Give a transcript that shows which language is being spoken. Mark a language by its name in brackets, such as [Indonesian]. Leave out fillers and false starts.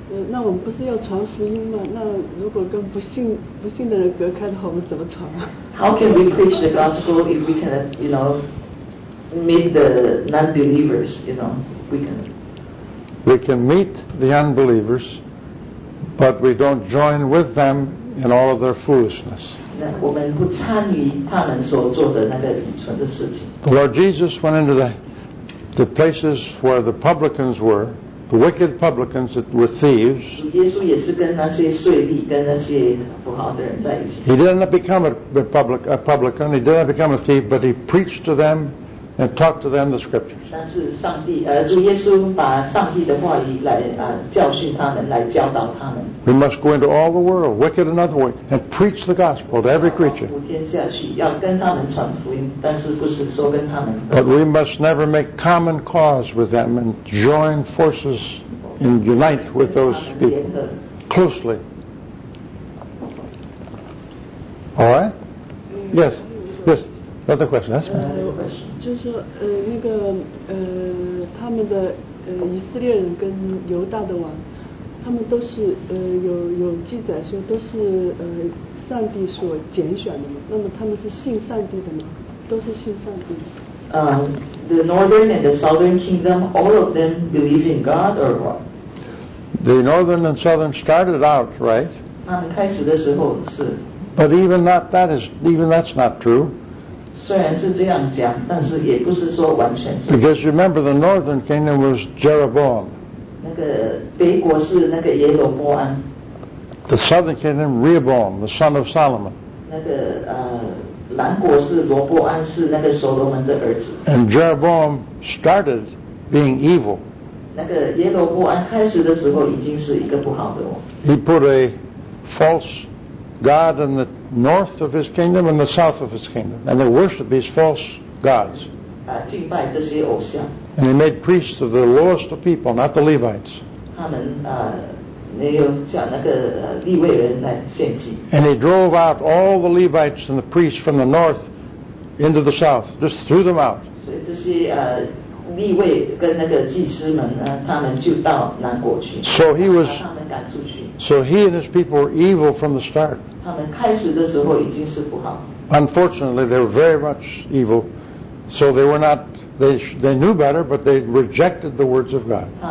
[Chinese] 那我们不是要传福音吗？那如果跟不信的人隔开的话，我们怎么传啊 [English] ？How can we preach the gospel if we cannot, you know, meet the non-believers? You know, we can meet the unbelievers, but we don't join with them in all of their foolishness. [Chinese] 那我们不参与他们所做的那个愚蠢的事情。 [English] The Lord Jesus went into the places where the publicans were. The wicked publicans that were thieves. He did not become a publican, he did not become a thief, but he preached to them and talked to them the scriptures. We must go into all the world, wicked in other ways, and preach the gospel to every creature. But we must never make common cause with them and join forces and unite with those people closely. All right? Yes, yes. Another question. That's fine. [Chinese] 就是说那个他们的以色列人跟犹大的王他们都是有记载说都是上帝所拣选的嘛，那么他们是信上帝的吗？都是信上帝的。 [English] The northern and the southern kingdom, all of them believe in God or what? The northern and southern started out, right? [Chinese] 他们开始的时候是。 [English] But even that's not true. [Chinese] 虽然是这样讲，但是也不是说完全是。 [English] Because remember, the northern kingdom was Jeroboam. [Chinese] 那个北国是那个耶罗波安。 [English] The southern kingdom, Rehoboam, the son of Solomon. [Chinese] 那个南国是罗波安，是那个所罗门的儿子。 [English] And Jeroboam started being evil. [Chinese] 那个耶罗波安开始的时候已经是一个不好的哦。 [English] He put a false God in the north of his kingdom and the south of his kingdom, and they worship these false gods. [Chinese] 敬拜这些偶像。 [English] And he made priests of the lowest of people, not the Levites. [Chinese] 他们没有叫那个利未人来献祭。 [English] And he drove out all the Levites and the priests from the north into the south, just threw them out. [Chinese] 所以这些利未跟那个祭司们呢，他们就到南国去。 [English] So he was. So he and his people were evil from the start. Unfortunately, they were very much evil. So they were not, they knew better, but they rejected the words of God.